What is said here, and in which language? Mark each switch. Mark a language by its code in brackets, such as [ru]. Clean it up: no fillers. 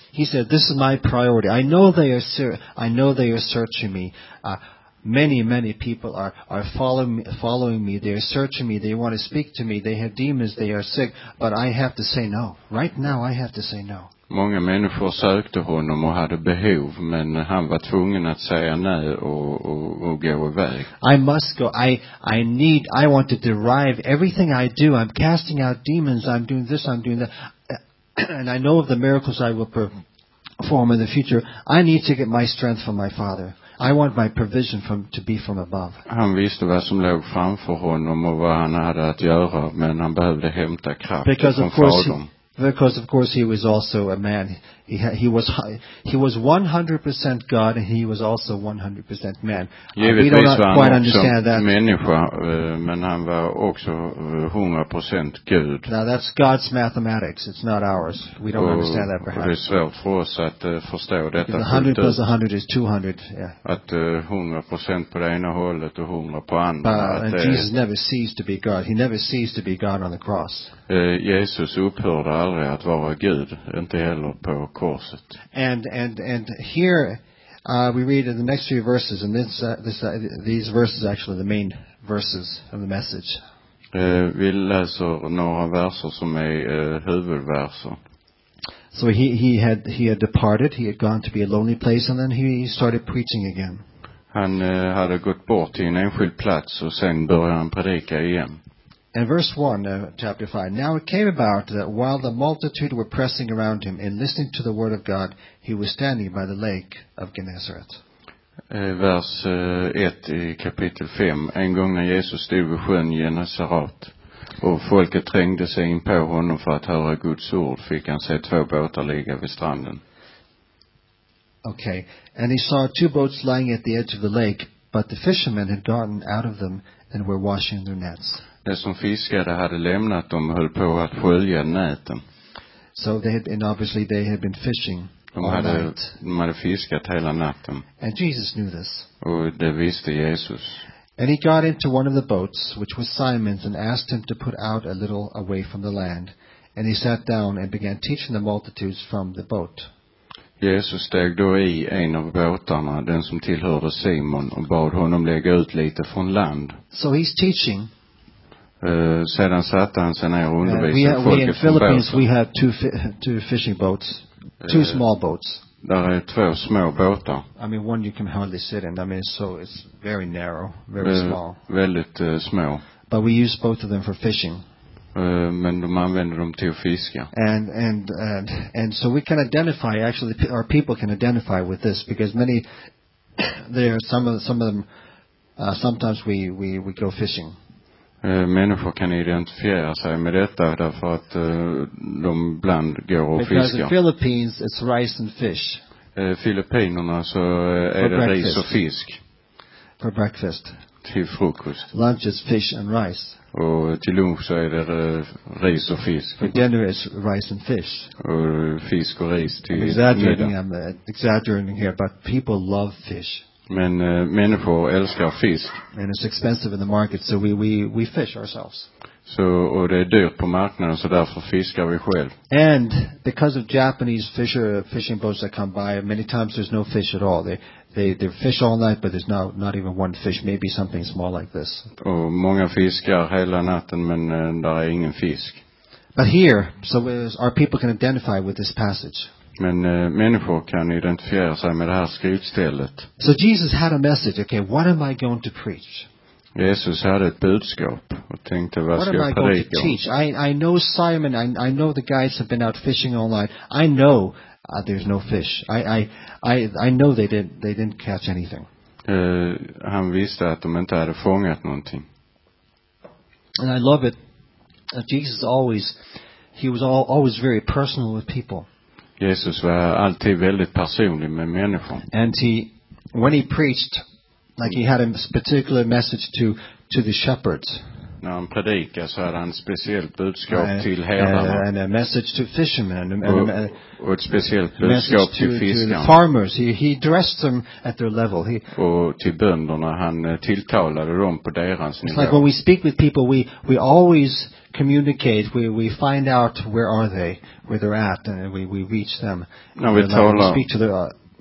[en] He said, this is my priority. I know they are searching me. many people are following me. They are searching me. They want to speak to me. They have demons. They are sick. But I have to say no. Right now, I have to say no. [sv] Många människor sökte honom och hade behov, men han var tvungen att säga nej och gå iväg. [en] I must go. I want to derive everything I do. I'm casting out demons. I'm doing this. I'm doing that. And I know of the miracles I will perform in the future. I need to get my strength from my Father. I want my provision to be from above. [sv] Han visste vad som låg framför honom och vad han hade att göra, men han behövde hämta kraft från Fadern. [en] Because of course he was also a man. He was 100% God, and he was also 100% man. We do not quite understand that. [sv] Människa, men han var också 100% Gud. [en] Now that's God's mathematics. It's not ours. We don't understand that perhaps. [sv] Det är svårt för oss att förstå detta. [en] 100 plus 100 is 200. Yeah. [sv] Att 100% på det ena hållet och 100 på andra. [en] And Jesus never ceased to be God. He never ceased to be God on the cross. [sv] Jesus upphörde aldrig att vara Gud, inte heller på korset. [en] And here we read in the next few verses, and these verses are actually the main verses of the message. [sv] Vi läser några verser som är huvudverser. [en] So he had departed, he had gone to be a lonely place, and then he started preaching again. [sv] Han hade gått bort till en enskild plats och sen började han predika igen. [en] And verse 1 of chapter 5. Now it came about that while the multitude were pressing around him and listening to the word of God, he was standing by the lake of Gennesaret. [sv] Vers 1 i kapitel 5. En gång när Jesus stod vid sjön Gennesaret och folket trängde sig in på honom för att höra Guds ord, fick han se två båtar ligga vid stranden. [en] Okay. And he saw two boats lying at the edge of the lake, but the fishermen had gotten out of them and were washing their nets. [sv] De som fiskade hade lämnat dem och höll på att skölja näten. [en] So they had been, obviously they had been fishing. [sv] De hade fiskat hela natten. [en] And Jesus knew this. [sv] Och det visste Jesus. [en] And he got into one of the boats, which was Simon's, and asked him to put out a little away from the land. And he sat down and began teaching the multitudes from the boat. [sv] Jesus steg då i en av båtarna, den som tillhörde Simon, och bad honom lägga ut lite från land. [en] So he's teaching. [sv] Sedan satt han sig ner och undervisade folket. [en] In Philippines we have two fishing boats, two small boats. [sv] Där är två små båtar. [en] I mean, one you can hardly sit in. I mean, so it's very narrow, very small. [sv] Väldigt små. [en] But we use both of them for fishing. [sv] Men de använder dem till att fiska. [en] And so we can identify, actually, our people can identify with this, because many there are some of them sometimes we go fishing. [sv] Människor kan identifiera sig med detta därför att de ibland går och fiskar. [en] Because in Philippines it's rice and fish. [sv] Filippinerna så är det ris och fisk. [en] For breakfast. [sv] Till frukost. [en] Lunch is fish and rice. [sv] Och till lunch så är det ris och fisk. [en] For dinner is rice and fish. [sv] Och fisk och ris till middag. [en] I'm exaggerating here, but people love fish. [sv] Men människor älskar fisk. [en] And it's expensive in the market, so we fish ourselves. [sv] Så och det är dyrt på marknaden, så därför fiskar vi själv. [en] And because of Japanese fishing boats that come by, many times there's no fish at all. They fish all night, but there's not even one fish. Maybe something small like this. [sv] Och många fiskar hela natten, men där är ingen fisk. [en] But here, so our people can identify with this passage. [sv] Men människor kan identifiera sig med det här skriftstället. [en] So Jesus had a message. Okay, what am I going to preach? [sv] Jesus hade ett budskap och tänkte vad ska jag predika. [en] What am I going to teach? I know Simon. I know the guys have been out fishing all night. I know there's no fish. I know they didn't catch anything. [sv] Han visste att de inte hade fångat någonting. [en] And I love it. Jesus always very personal with people. [sv] Jesus var alltid väldigt personlig med människor. [en] And when he preached, like he had a particular message to the shepherds. [sv] När han predikade så hade han ett speciellt budskap till herdarna. [en] And a message to fishermen. [sv] Och ett speciellt budskap till fiskarna. [en] To the farmers. He addressed them at their level. [sv] Och till bönderna, han tilltalade dem på deras nivå. [en] It's like when we speak with people, we always communicate, we find out where are they, where they're at, and we reach them. Now we talk, speak to their